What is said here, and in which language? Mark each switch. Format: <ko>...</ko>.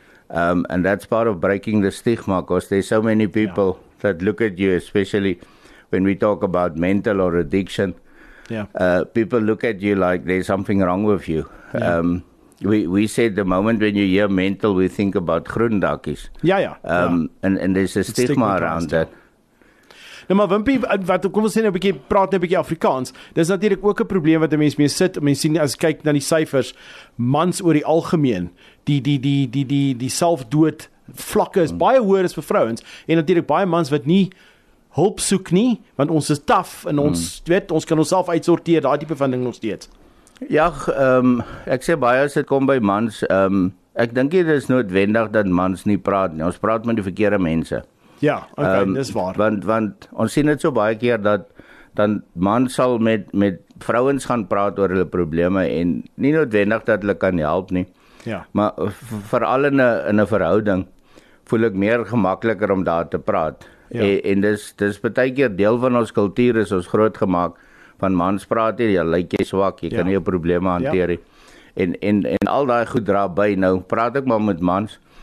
<en>And that's part of breaking the stigma, because there's so many people, yeah, that look at you, especially when we talk about mental or addiction. Yeah. People look at you like there's something wrong with you. Yeah. We said the moment when you hear mental, we think about groendakies. Yeah, yeah. And there's a stigma around that.</en> <af>Nou maar Wimpie, wat kom ons sê nou 'n bietjie praat net 'n bietjie Afrikaans. Dis natuurlik ook 'n probleem wat 'n mens mee sit. Mens sien as kyk na die syfers, mans oor die algemeen, die selfdood vlakke is baie hoër as vir vrouens en natuurlik baie mans wat nie hulp soek nie, want ons is taf en ons weet ons kan onsself uitsorteer, daai tipe van ding nog steeds. Ja, ek sê baie as dit kom by mans, ek dink dit is noodwendig dat mans nie praat nie. Ons praat met die verkeerde mense. Ja, okay, dis waar. Want ons sien dit so baie keer dat dan man sal met vrouens gaan praat oor hulle probleme en nie noodwendig dat hulle kan help nie. Ja. Maar veral in 'n verhouding voel ek meer gemakliker om daar te praat. Ja. En dis baie keer deel van ons kultuur is ons groot gemaak van mans praat nie, jy lyk jy swak, jy kan nie jou probleme hanteer nie. En al daai goed dra by nou, praat ek maar met mans.</af>